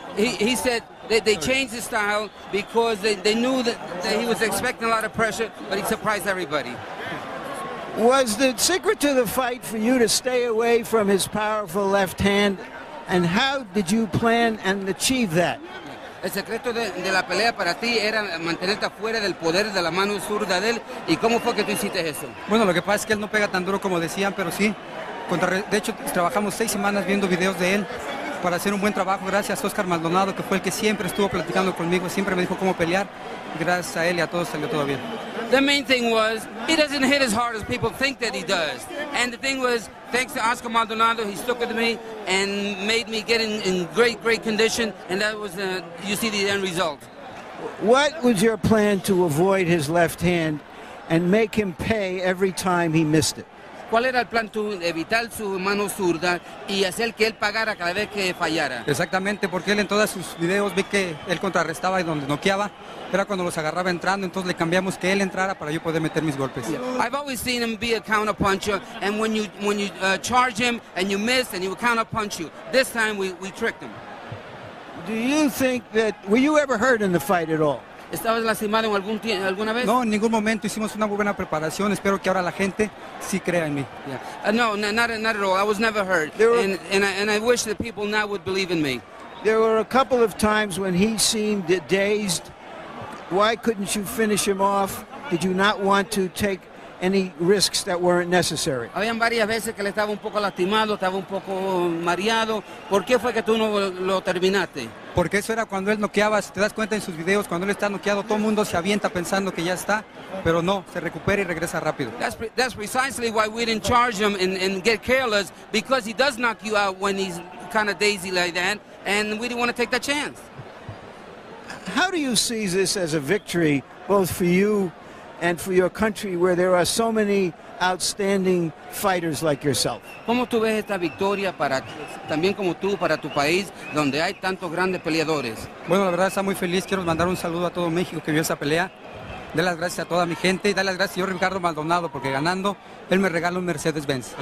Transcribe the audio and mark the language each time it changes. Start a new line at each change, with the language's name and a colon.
English: He said they changed the style because they knew that he was expecting a lot of pressure, but he surprised everybody. Was the secret to the fight for you to stay away from his powerful left hand, and how did you plan and achieve that?
Spanish: El secreto de la pelea para ti era mantenerte fuera del poder de la mano zurda de él. ¿Y cómo fue que tú hiciste eso? Bueno, lo que pasa es que él no pega tan duro como decían, pero sí. De hecho, trabajamos 6 semanas viendo videos de él. para hacer un buen trabajo. Gracias a Oscar Maldonado, que fue el que siempre estuvo platicando conmigo, siempre me dijo cómo pelear. Gracias a él y a todos salió todo bien.
English: The main thing was, he doesn't hit as hard as people think that he does. And the thing was, thanks to Oscar Maldonado, he stuck with me and made me get in great, great condition. And that was, you see the end result. What was your plan to avoid his left hand and make him pay every time he missed it?
Spanish: ¿Cuál era el plan tú? Evitar su mano zurda y hacer que él pagara cada vez que fallara. Exactamente, porque él en todos sus videos vi que él contrarrestaba y donde noqueaba, era cuando los agarraba entrando, entonces le cambiamos que él entrara para yo poder meter mis golpes.
English: Yeah. I've always seen him be a counterpuncher, and when you charge him and you miss and he will counterpunch you. This time we tricked him. Do you think that, were you ever hurt in the fight at all?
Spanish: ¿Estabas lastimado alguna vez? No, en ningún momento. Hicimos una muy buena preparación. Espero que ahora la gente sí crea en mí.
English: Yeah. No, not at all. I was never hurt. And I wish that people now would believe in me. There were a couple of times when he seemed dazed. Why couldn't you finish him off? Did you not want to take any risks that weren't necessary?
Spanish: Habían varias veces que le estaba un poco lastimado, estaba un poco mareado. ¿Por qué fue que tú no lo terminaste? Porque eso era cuando él noqueaba. Si te das cuenta en sus videos, cuando él está noqueado, todo el mundo se avienta pensando que ya está, pero no, se recupera y regresa rápido.
English: That's precisely why we didn't charge him and get careless, because he does knock you out when he's kind of dazy like that, and we didn't want to take that chance. How do you see this as a victory, both for you and for your country, where there are so many outstanding fighters like yourself?
Spanish: ¿Cómo tú ves esta victoria para también como tú para tu país, donde hay tantos grandes peleadores? Bueno, la verdad está muy feliz. Quiero mandar un saludo a todo México que vio esa pelea. De las gracias a toda mi gente y dale las gracias a Ricardo Maldonado, porque ganando él me regala un Mercedes Benz.